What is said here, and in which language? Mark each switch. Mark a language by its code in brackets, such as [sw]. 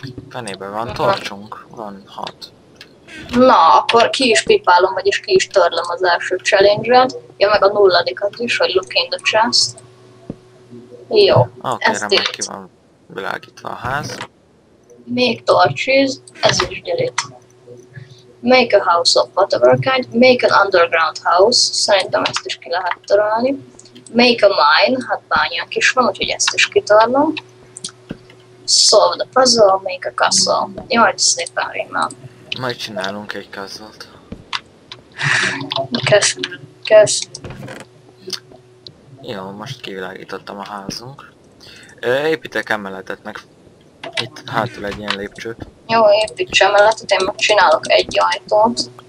[hu] Fenébe van, torcsunk. Van 6. Na, akkor ki is pipálom, vagyis ki is törlöm az első challenge-et. Ja, meg a nulladikat is, hogy [en] look in the chest. [hu] Jó, okay, ezt remek, ki van világítva a ház. [en] Make torches, [hu] ez is [en] delete. Make a house of whatever kind, make an underground house. [hu] Szerintem ezt is ki lehet törölni. [en] Make a mine, [hu] hát bányánk is van, úgyhogy ezt is kitörlöm. [en] Solve the puzzle, make a castle. [hu] Jaj, szépen rémel. Majd csinálunk egy castle-t. Köszönöm. Kösz. Jó, most kivilágítottam a házunk. Építek emeletet meg. Itt hátul egy ilyen lépcsőt. Jó, építs emeletet, én meg csinálok egy ajtót.